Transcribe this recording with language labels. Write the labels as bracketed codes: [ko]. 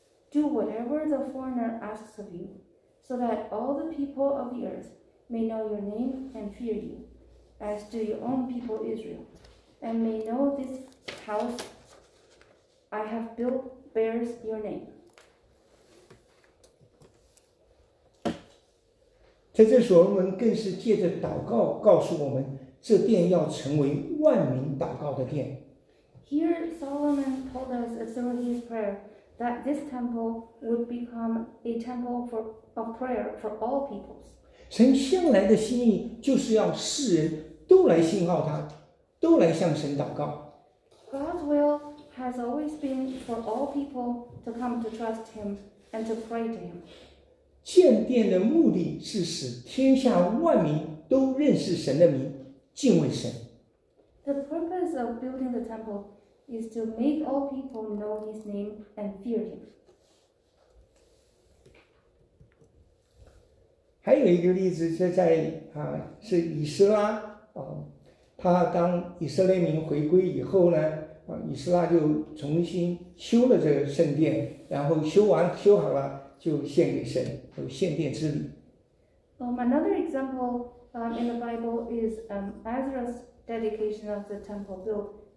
[en] Do whatever the foreigner asks of you, so that all the people of the earth may know your name and fear you, as do your own people Israel, and may know this house I have built bears your name. [zh] 在这所罗门更是借着祷告告诉我们，这殿要成为万民祷告的殿。 [en] Here Solomon told us through his prayer. That this temple would become a temple for a prayer for all peoples. [zh] 神向来的心意就是要世人都来信靠他，都来向神祷告。 [en] God's will has always been for all people to come to trust Him and to pray to Him. [zh] 建殿的目的是使天下万民都认识神的名，敬畏神。 [en] The purpose of building the temple. Is to make all people know His name and fear Him. [zh] 还有一个例子是在是以斯拉他当以色列民回归以后呢以斯拉就重新修了这个圣殿，然后修好了就献给神，有献殿之礼。 [en] Another example in the Bible is Ezra's dedication of the temple built.